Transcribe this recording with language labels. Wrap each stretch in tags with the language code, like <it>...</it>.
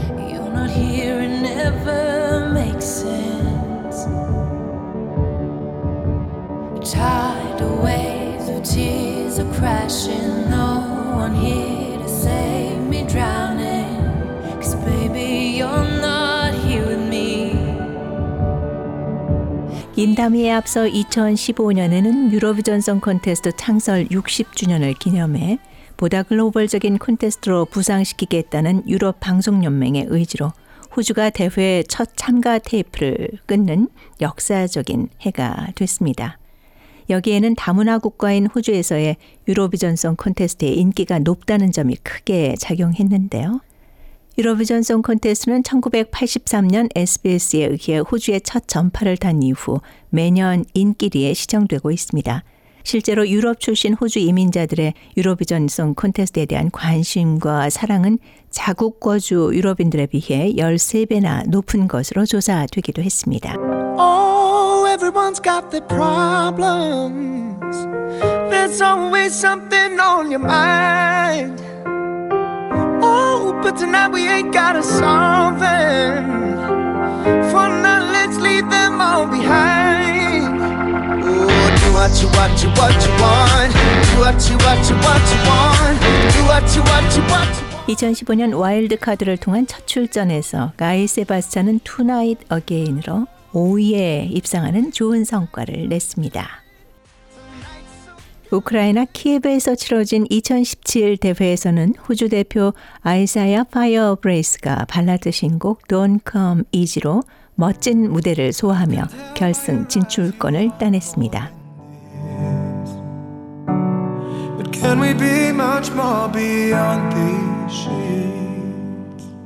<en>You're not here and never makes sense. Tide waves of tears are crashing. No one here to save me drowning. Cause baby, you're not here with me.</en> <ko>인다미에 앞서 2015년에는 유로비전 송 콘테스트 창설 60주년을 기념해 보다 글로벌적인 콘테스트로 부상시키겠다는 유럽 방송연맹의 의지로 호주가 대회 첫 참가 테이프를 끊는 역사적인 해가 됐습니다. 여기에는 다문화 국가인 호주에서의 유로비전 송 콘테스트의 인기가 높다는 점이 크게 작용했는데요. 유로비전 송 콘테스트는 1983년 SBS에 의해 호주의 첫 전파를 탄 이후 매년 인기리에 시청되고 있습니다. 실제로 유럽 출신 호주 이민자들의 유로비전 송 콘테스트에 대한 관심과 사랑은 자국 거주 유럽인들에 비해 13배나 높은 것으로 조사되기도 했습니다.</ko> <en>Everyone's got their problems. There's always something on your mind. Oh, but tonight we ain't got a solving. For now, let's leave them all behind. Ooh, do what you want, do what you want. Do what you want, do what you want. Do what you want, do what you want.</en> <ko>2015년 와일드카드를 통한 첫 출전에서 가이 세바스찬은 Tonight Again으로 5위에 입상하는 좋은 성과를 냈습니다. 우크라이나 키예브에서 치러진 2017 대회에서는 호주 대표 아이사야 파이어브레이스가 발라드 신곡 Don't Come Easy로 멋진 무대를 소화하며 결승 진출권을 따냈습니다.</ko> <en>But can we be much more beyond these sheets?</en>